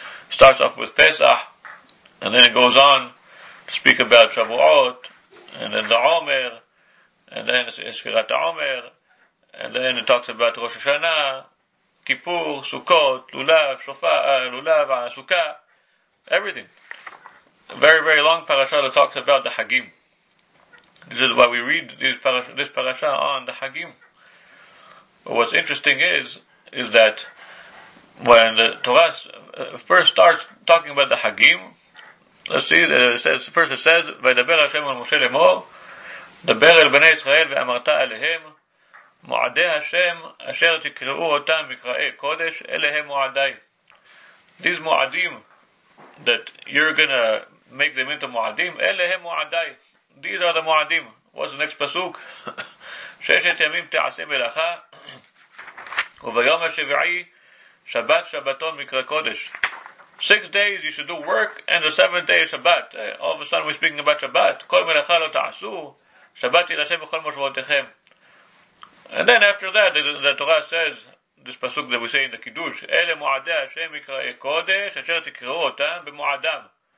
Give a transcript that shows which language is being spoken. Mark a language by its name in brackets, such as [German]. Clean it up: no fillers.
[English] Starts off with Pesach, and then it goes on to speak about Shavuot, and then the Omer, and then Sefirat Omer, and then it talks about Rosh Hashanah, Kippur, Sukkot, Lulav, Lulav, Sukkah, everything. A very, very long parasha that talks about the Hagim. This is why we read this parasha on the Hagim. But what's interesting is that when the Torah first starts talking about the Hagim, let's see, it says, [Hebrew] וידבר השם אל משה לאמור, דבר אל בני ישראל ואמרת אליהם, מועדי השם אשר תקראו אותם מקראי קודש, אליהם מועדי. [English] These מועדים that you're gonna make them into מועדים, [Hebrew] אליהם מועדי. [English] These are the מועדים. What's the next פסוק? [Hebrew] ששת ימים תעשה מלאכה, וביום השביעי, שבת שבתון מקרא קודש. [English] 6 days you should do work, and the 7th day is Shabbat. All of a sudden we're speaking about Shabbat. [Hebrew] Kol melecha lo ta'asu, Shabbat yirashem v'chol moshvotechem. [English] And then after that, the Torah says, this pasuk that we say in the Kiddush, [Hebrew] Ele mu'adei Hashem yikra'e kodesh, asher tikra'u otam b'mu'adam.